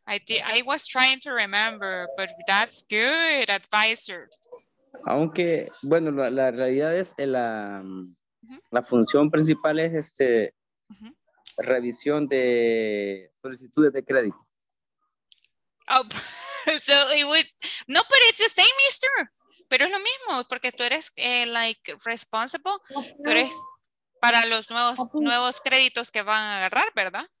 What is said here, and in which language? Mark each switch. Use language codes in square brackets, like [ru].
[en] I was trying to remember, but that's good, advisor. [es] Aunque, bueno, la realidad es la, la función principal es este revisión de solicitudes de crédito. [en] Oh, so it would, no, but it's the same, mister. [es] Pero es lo mismo, porque tú eres [en] like responsible, [es] pero es para los nuevos, nuevos créditos que van a agarrar, ¿verdad?